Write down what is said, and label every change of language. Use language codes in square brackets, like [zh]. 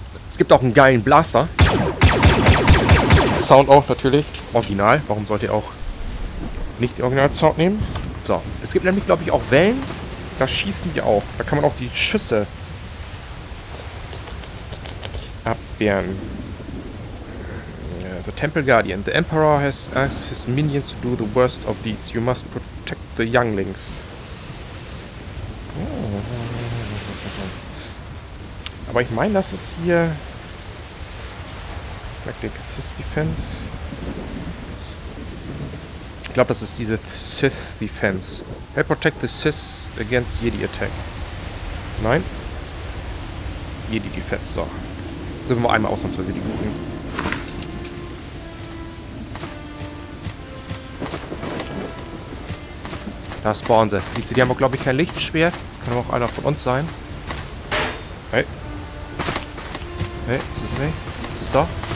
[de] Es gibt auch einen geilen Blaster. Sound auch natürlich. Original. Warum sollt ihr auch nicht den Original-Sound nehmen? So. Es gibt nämlich, glaube ich, auch Wellen. Da schießen die auch. Da kann man auch die Schüsse abwehren. Also Temple Guardian. [en] The Emperor has asked his minions to do the worst of these. You must protect the younglings. [de] Aber ich meine, das ist hier... [en] Tactic Sith Defense. [de] Ich glaube, das ist diese Sith Defense. [en] Help protect the Sith against Jedi Attack. [de] Nein. Jedi Defense, so. Sind wir mal einmal ausnahmsweise die Guten. Da spawnen sie. Die haben auch, glaube ich, kein Lichtschwert. Kann aber auch einer von uns sein. Hey. Hey, ist es nicht? Ist es doch?